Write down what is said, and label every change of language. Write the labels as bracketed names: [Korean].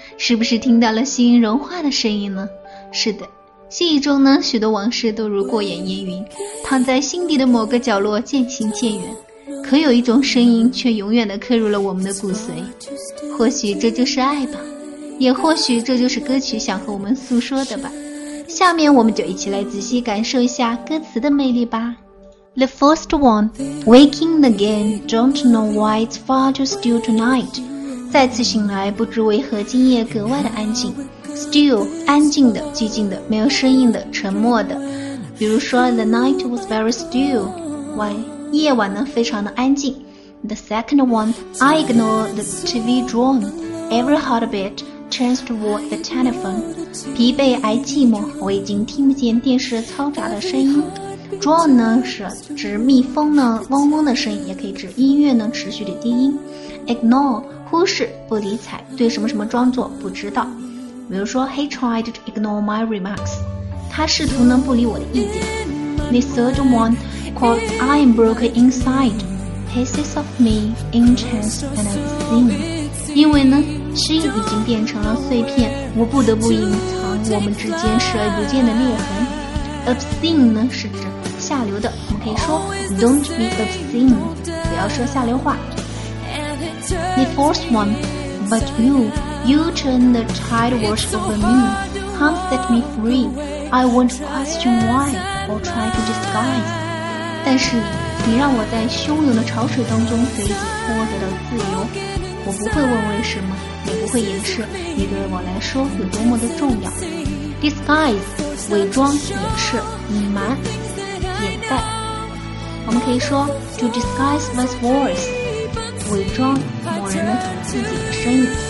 [Chinese] 是不是听到了心融化的声音呢？是的，记忆中呢，许多往事都如过眼烟云，躺在心底的某个角落渐行渐远。可有一种声音却永远地刻入了我们的骨髓，或许这就是爱吧，也或许这就是歌曲想和我们诉说的吧。下面我们就一起来仔细感受一下歌词的魅力吧。 [English] The first one, waking again, don't know why it's far too still tonight. [Chinese] 再次醒来，不知为何今夜格外的安静。Still, 安静的，寂静的，没有声音的，沉默的。比如说 [English] ,The night was very still. Why? [Chinese] 夜晚呢，非常的安静。 [English] The second one, I ignore the TV drone. Every heartbeat turns toward the telephone. [Chinese] 疲惫而寂寞，我已经听不见电视嘈杂的声音。 Drone 呢是指蜜蜂呢嗡嗡的声音，也可以指音乐呢持续的低音。 Ignore 忽视不理睬，对什么什么装作不知道。比如说 ， [English] He tried to ignore my remarks， [Chinese] 他试图呢不理我的意见。 [English] The third one called I am broken inside， pieces of me in chance and unseen， [Chinese] 因为呢心已经变成了碎片，我不得不隐藏我们之间视而不见的裂痕。 Obscene 呢是指下流的，我们可以说 [English] Don't be obscene， [Chinese] 不要说下流话。 [English] The fourth one, but you turn the tide wash over me, can't set me free. I won't question why or try to disguise. [Chinese] 但是你让我在汹涌的潮水当中随即获得了自由，我不会问为什么，也不会掩饰你对我来说有多么的重要。 [English] Disguise。 [Chinese] 伪装、掩饰、隐瞒、掩盖，我们可以说 [English] to disguise one's voice， [Chinese] 伪装某人的自己的声音。